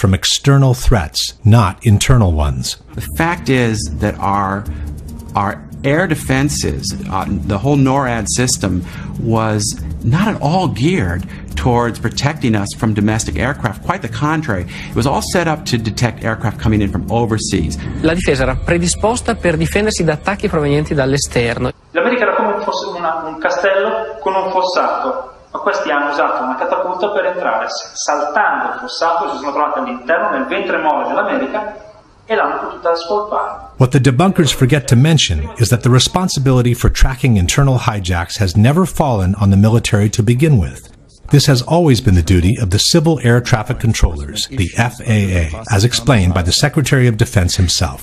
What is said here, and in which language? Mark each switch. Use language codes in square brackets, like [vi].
[en] from external threats, not internal ones. The fact is that our air defenses, the whole NORAD system, was not at all geared towards protecting us from domestic aircraft. Quite the contrary, it was all set up to detect aircraft coming in from overseas. [it] La difesa era predisposta per difendersi da attacchi provenienti dall'esterno. L'America era come fosse un castello con un fossato, ma questi hanno usato una catapulta per entrare, saltando il fossato, si sono trovati all'interno nel ventre molle dell'America. [en] What the debunkers forget to mention is that the responsibility for tracking internal hijacks has never fallen on the military to begin with. This has always been the duty of the civil air traffic controllers, the FAA, as explained by the Secretary of Defense himself.